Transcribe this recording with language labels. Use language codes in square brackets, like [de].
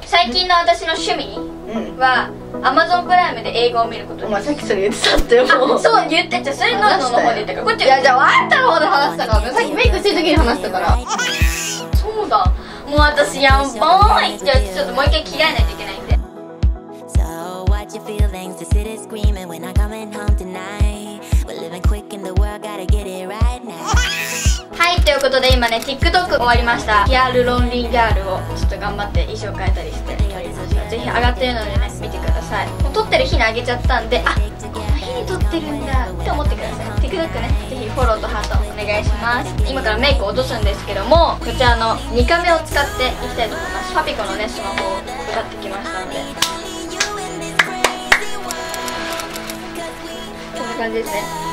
[ja] 最近の私の趣味、は Amazon プライムで映画を見ることです。お前さっきそれ言ってたってよ。あ、そう言ってた。それノイノの方で言ったから、こっち。いや、じゃあワンタの方で話したから、ね、さっきメイクしてる時に話したから。そうだ、もう私ヤンバーい。じゃあちょっともう一回着替えないといけないんで。 [en] Your feelings, the city screaming when I'm coming home tonight. We're living quick in the world, gotta get it right now. [ja] はい、ということで今ね TikTok 終わりました。ヒアルロンリーギャールをちょっと頑張って衣装変えたりして撮りました。ぜひ上がってるのでね見てください。もう撮ってる日にあげちゃったんで、あ、この日に撮ってるんだって思ってください。 TikTok ね、ぜひフォローとハートお願いします。今からメイク落とすんですけども、こちらの2カメを使っていきたいと思います。パピコのねスマホを使ってきましたので、感じですね。